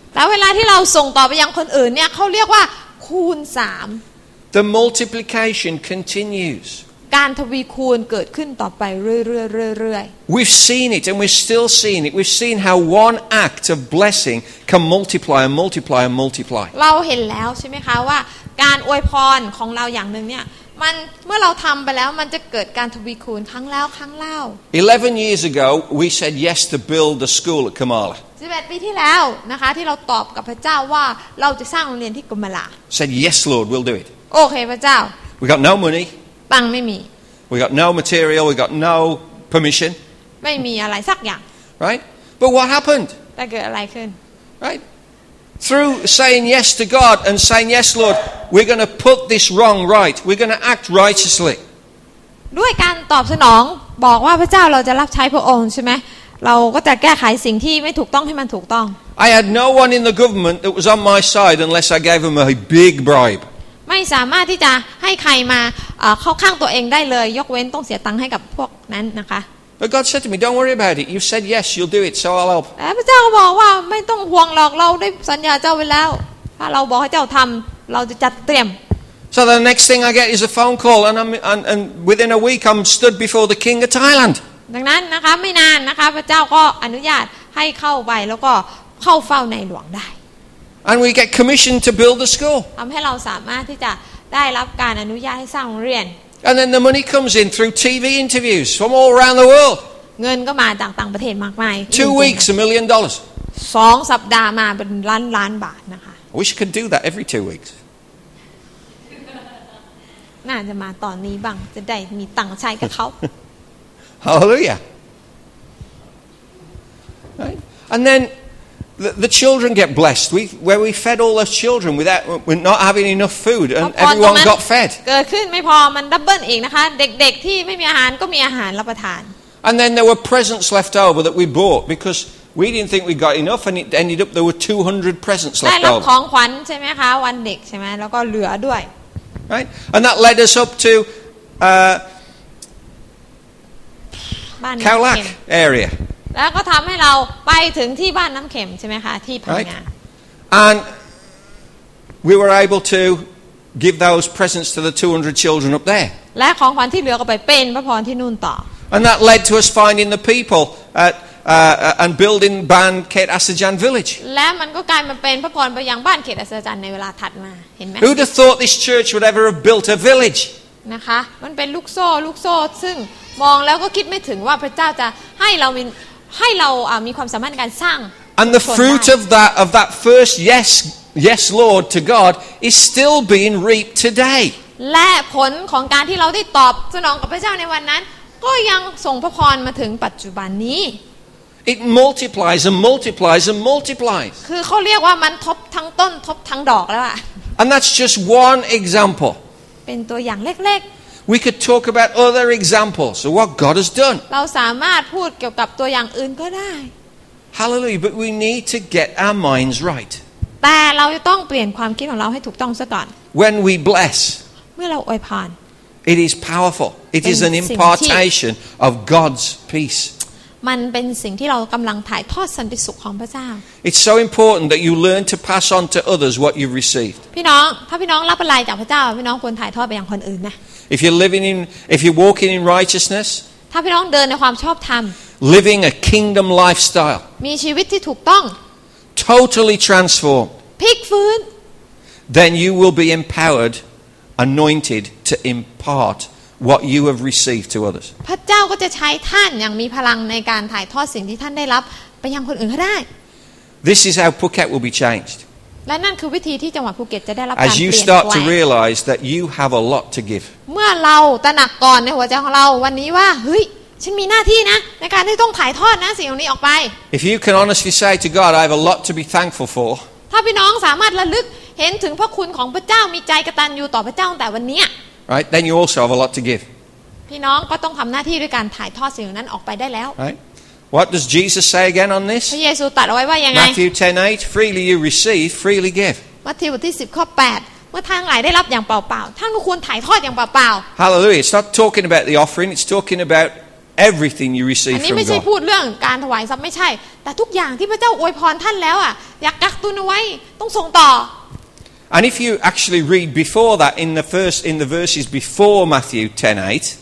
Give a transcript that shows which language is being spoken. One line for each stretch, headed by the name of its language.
Thai: แล้วเวลาที่เราส่งต่อไปยังคนอื่นเนี่ยเขาเรียกว่าคูณ3
English: The multiplication continues
Thai: การทวีคูณเกิดขึ้นต่อไปเรื่อยๆๆ
English: We've seen it and we're still seeing it We've seen how one act of blessing can multiply and multiply and multiply
Thai: เราเห็นแล้วใช่ไหมคะว่าการอวยพรของเราอย่างนึงเนี่ย มันเมื่อเราทำไปแล้วมันจะเกิดการทวีคูณครั้งแล้วครั้งเล่า
English: 11 years ago we said yes to build the school at Kamala
Thai: 11ปีที่แล้วนะคะที่เราตอบกับพระเจ้าว่าเราจะสร้างโรงเรียนที่กุมลา
English: said yes Lord we'll do it
Thai: โอเคพระเจ้า
English: we got no money
Thai: ปังไม่มี
English: we got no material we got no permission
Thai: ไม่มีอะไรสักอย่าง
English: right but what happened
Thai: แต่เกิดอะไรขึ้น
English: rightThrough saying yes to God and saying yes, Lord, we're going to put this wrong right. We're going to act righteously.
Thai: ด้วยการตอบสนองบอกว่าพระเจ้าเราจะรับใช้พระองค์ใช่ไหมเราก็จะแก้ไขสิ่งที่ไม่ถูกต้องให้มันถูกต้อง
English: I had no one in the government that was on my side unless I gave them a big bribe.
Thai: ไม่สามารถที่จะให้ใครมาเข้าข้างตัวเองได้เลยยกเว้นต้องเสียตังค์ให้กับพวกนั้นนะคะ
English: But God said to me, "Don't worry about it. You've said yes, you'll do it, so I'll help."
Thai: พระเจ้าบอกว่าไม่ต้องห่วงหรอกเราได้สัญญาเจ้าไว้แล้วถ้าเราบอกให้เจ้าทำเราจะจัดเตรียม
English: So the next thing I get is a phone call, and within a week I'm stood before the king of Thailand.
Thai: ดังนั้นนะคะไม่นานนะคะพระเจ้าก็อนุญาตให้เข้าไปแล้วก็เข้าเฝ้าในหลวงได้
English: And we get commissioned to build the school.
Thai: ทำให้เราสามารถที่จะได้รับการอนุญาตให้สร้างโรงเรียน
English: And then the money comes in through TV interviews from all around the world.
Thai: เงินก็มาจากต่างประเทศมากมาย
English: Two weeks, $1 million.
Thai: 2สัปดาห์มาเป็นล้านล้านบาทนะคะ
English: I wish I could do that every 2 weeks.
Thai: น่าจะมาตอนนี้บ้างจะได้มีตังค์ใช้กับเขา
English: Hallelujah. Right? And then the children get blessed. We fed all those children without not having enough food, and everyone got fed.
Thai: เกิดขึ้นไม่พอมันดับเบิลอีกนะคะเด็กๆที่ไม่มีอาหารก็มีอาหารรับประทาน
English: And then there were presents left over that we bought because we didn't think we got enough, and it ended up there were 200 presents left over.
Thai: ได้รับของขวัญใช่ไหมคะวันเด็กใช่ไหมแล้วก็เหลือด้วย
English: Right, and that led us up to Khao Lak area.
Thai: แล้วก็ทำให้เราไปถึงที่บ้านน้ำเข็มใช่ไหมคะที่พังงา
English: And we were able to give those presents to the 200 children up there.
Thai: และของขวัญที่เหลือก็ไปเป็นพระพรที่นู่นต่อ
English: And that led to us finding the people at and building Ban Ket Asajan Village.
Thai: และมันก็กลายมาเป็นพระพรไปยังบ้านเขตอัศจรรย์ในเวลาถัดมาเห็นไหม
English: Who'd have thought this church would ever have built a village?
Thai: นะคะมันเป็นลูกโซ่ลูกโซ่ซึ่งมองแล้วก็คิดไม่ถึงว่าพระเจ้าจะให้เรามีความสามารถในการสร้าง
English: And the fruit of that first yes Lord to God is still being reaped today
Thai: และผลของการที่เราได้ตอบสนองกับพระเจ้าในวันนั้นก็ยังส่งพระพรมาถึงปัจจุบันนี้
English: It multiplies and multiplies and multiplies
Thai: คือเขาเรียกว่ามันทบทั้งต้นทบทั้งดอกแล้วอ่ะ
English: And that's just one example
Thai: เป็นตัวอย่างเล็ก
English: ๆ We could talk about other examples of what God has done.
Thai: เราสามารถพูดเกี่ยวกับตัวอย่างอื่นก็ได้
English: Hallelujah, but we need to get our minds right.
Thai: แต่เราต้องเปลี่ยนความคิดของเราให้ถูกต้องซะก่อน
English: When we bless,
Thai: เมื่อเราอวยพร
English: It is powerful. It is an impartation of God's peace.
Thai: มันเป็นสิ่งที่เรากำลังถ่ายทอดสันติสุขของพระเจ้า
English: It's so important that you learn to pass on to others what you've received.
Thai: พี่น้องถ้าพี่น้องรับอะไรจากพระเจ้าพี่น้องควรถ่ายทอดไปยังคนอื่นนะ
English: If you're walking in righteousness,
Thai: ถ้าพี่น้องเดินในความชอบธรรม
English: Living a kingdom lifestyle,
Thai: มีชีวิตที่ถูกต้อง
English: Totally transformed,
Thai: พลิกฟื้น
English: Then you will be empowered, anointed to impart. What you have received to others.
Thai: พระเจ้าก็จะใช้ท่านอย่างมีพลังในการถ่ายทอดสิ่งที่ท่านได้รับไปยังคนอื่นก็ได้
English: This is how Phuket will be changed.
Thai: และนั่นคือวิธีที่จังหวัดภูเก็ตจะได้รับการ
English: As you start to realize that you have a lot to give.
Thai: เมื่อเราตระหนักก่อนในหัวใจของเราวันนี้ว่าเฮ้ยฉันมีหน้าที่นะในการที่ต้องถ่ายทอดนะสิ่งเหล่านี้ออกไป
English: If you can honestly say to God, I have a lot to be thankful for.
Thai: ถ้าพี่น้องสามารถระลึกเห็นถึงพระคุณของพระเจ้ามีใจกตัญญูต่อพระเจ้าตั้งแต่วันนี้
English: Right, then you also have a lot to give.
Thai: พี่น้องก็ต้องทำหน้าที่ด้วยการถ่ายทอดสิ่งนั้นออกไปได้แล้ว
English: Right, what does Jesus say again on this?
Thai: พระเยซูตรัสไว้ว่ายังไง
English: Matthew 10:8, freely you receive, freely give.
Thai: มัทธิวบทที่10:8เมื่อท่านหลายได้รับอย่างเปล่าๆท่านก็ควรถ่ายทอดอย่างเปล่า
English: ๆ Hallelujah, it's not talking about the offering, it's talking about everything you receive from God.
Thai: อันนี้ไม่ใช่พูดเรื่องการถวายทรัพย์ไม่ใช่แต่ทุกอย่างที่พระเจ้าอวยพรท่านแล้วอ่ะอยากกักตุนไว้ต้องส่งต่อ
English: And if you actually read before that in the verses before Matthew 10:8,